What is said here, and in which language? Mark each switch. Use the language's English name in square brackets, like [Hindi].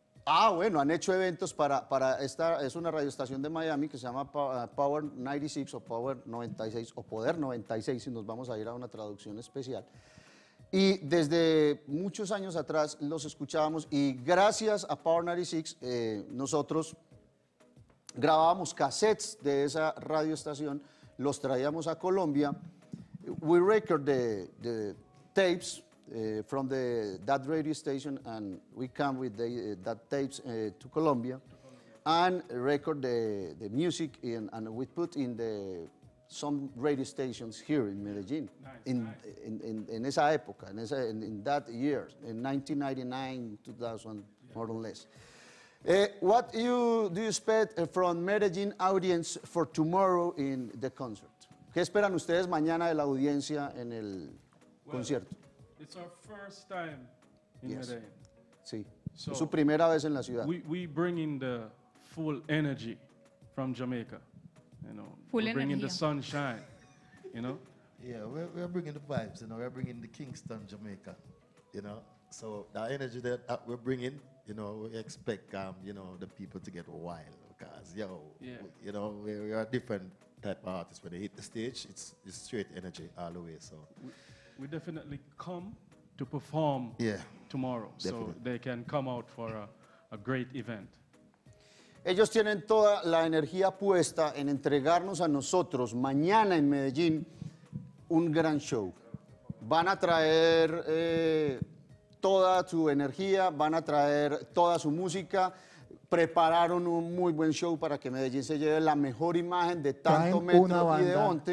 [Spanish] Ah, bueno, han hecho eventos para esta, es una radioestación de Miami que se llama Power 96 o Power 96 o Poder 96, si nos vamos a ir a una traducción especial. Y desde muchos años atrás los escuchábamos y gracias a Power 96 nosotros grabábamos cassettes de esa radioestación, los traíamos a Colombia. [English] We record the tapes from the that radio station and we come with the that tapes to Colombia and record the music in, and we put in the some radio stations here in Medellin. Nice, In [Spanish] esa época, [English] in that year, in 1999, 2000, more or less. What do you expect from Medellin audience for tomorrow in the concert? [Spanish] ¿Qué esperan ustedes mañana de la audiencia en el concierto? [English] It's our first time in Medellin. [Spanish] Sí, so su primera vez en la ciudad. [English] We bring in the full energy. from Jamaica. You know, we're bringing the sunshine, you know? Yeah, we're bringing the vibes, you know, we're bringing the Kingston, Jamaica, you know? So the energy that we're bringing, you know, we expect, you know, the people to get wild. Because, yo, you know, we are a different type of artist. When they hit the stage, it's straight energy all the way, so. We definitely come to perform tomorrow, definitely. So they can come out for a great event. [Spanish] Ellos tienen toda la energía puesta en entregarnos a nosotros mañana en Medellín un gran show. Van a traer toda su energía, van a traer toda su música. Prepararon un muy buen show para que Medellín se lleve la mejor imagen de tanto Metro y de Onte.